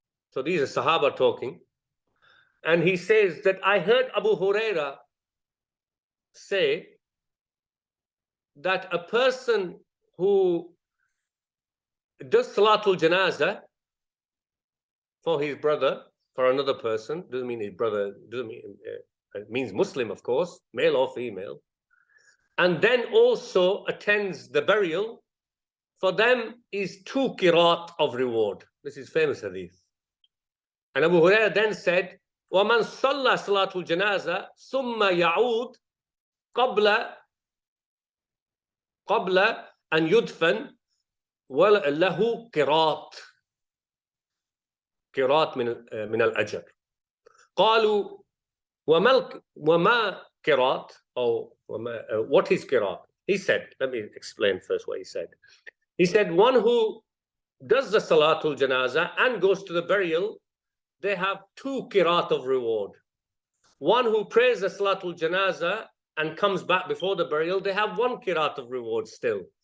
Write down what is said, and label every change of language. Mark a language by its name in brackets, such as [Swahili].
[English] So these are Sahaba talking. And he says that I heard Abu Hurairah say that a person who does Salatul Janazah for his brother, for another person, doesn't mean his brother, it means Muslim, of course, male or female, and then also attends the burial, for them is 2 qirat of reward. This is famous hadith. And Abu Hurairah then said, [Arabic] وَمَنْ صَلَّى صَلَاتُ الْجَنَازَةِ ثُمَّ يَعُودْ قَبْلَ أَنْ يُدْفَنْ وَلَهُ قِرَاطٌ قِرَاطٌ مِنَ الْأَجْرِ قَالُوا وَمَا قِرَاطٌ [English] what is [Arabic] قِرَاط? [English] He said, let me explain first what he said. He said, one who does the Salatul Janazah and goes to the burial, they have 2 qirat of reward. One who prays the Salatul Janazah and comes back before the burial, they have 1 qirat of reward still.